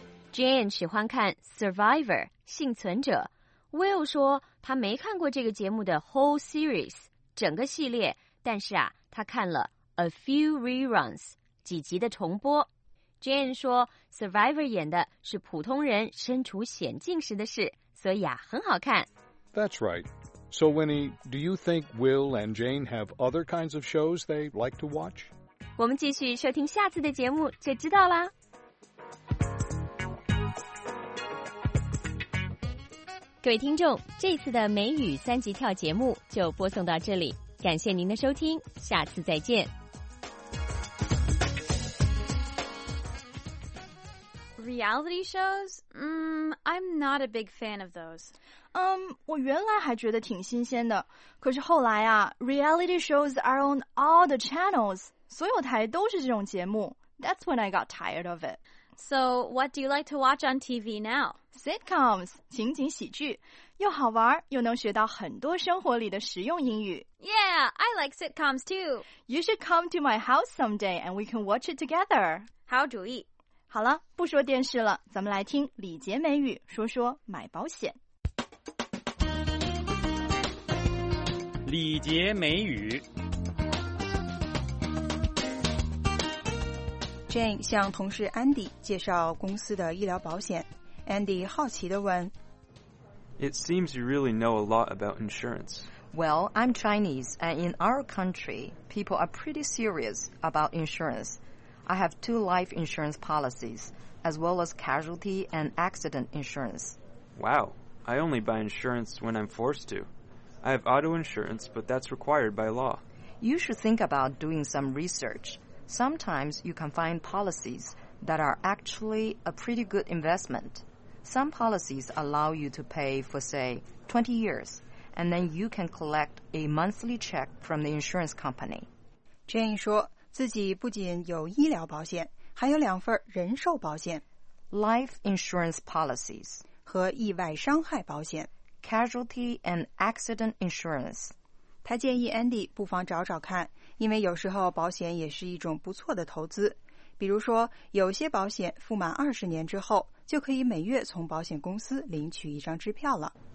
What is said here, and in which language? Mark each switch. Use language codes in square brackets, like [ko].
[zh] Jane 喜欢看 Survivor, 幸存者。Will 说他没看过这个节目的 whole series, 整个系列，但是啊，他看了 a few reruns, 几集的重播。 Jane 说 Survivor 演的是普通人身处险境时的事，所以啊，很好看。 [en] That's right. So Winnie, do you think Will and Jane have other kinds of shows they like to watch? [zh] 我们继续收听下次的节目就知道啦。各位听众，这次的美语三级跳节目就播送到这里，感谢您的收听，下次再见。 [en] Reality shows? I'm not a big fan of those. [zh] 我原来还觉得挺新鲜的，可是后来啊 ， [en] reality shows are on all the channels， [zh] 所有台都是这种节目。 [en] That's when I got tired of it. So, what do you like to watch on TV now? [zh] Sitcoms, 情景喜剧，又好玩又能学到很多生活里的实用英语。 [en] Yeah, I like sitcoms too. You should come to my house someday and we can watch it together. [zh] 好主意。好了，不说电视了，咱们来听李杰美语说说买保险。李杰美语。 Jane 向同事 Andy 介绍公司的医疗保险。 Andy 好奇地问 [en] It seems you really know a lot about insurance. Well, I'm Chinese, and in our country, people are pretty serious about insurance. I have two life insurance policies, as well as casualty and accident insurance. Wow, I only buy insurance when I'm forced to. I have auto insurance, but that's required by law. You should think about doing some research. Sometimes you can find policies that are actually a pretty good investment. Some policies allow you to pay for, say, 20 years, and then you can collect a monthly check from the insurance company. [zh] Jane 说自己不仅有医疗保险，还有两份人寿保险。 [en] Life insurance policies. [zh] 和意外伤害保险。 [en] Casualty and accident insurance. [zh] 他建议 Andy 不妨找找看。因为有时候保险也是一种不错的投资，比如说有些保险付满20年之后，就可以每月从保险公司领取一张支票了。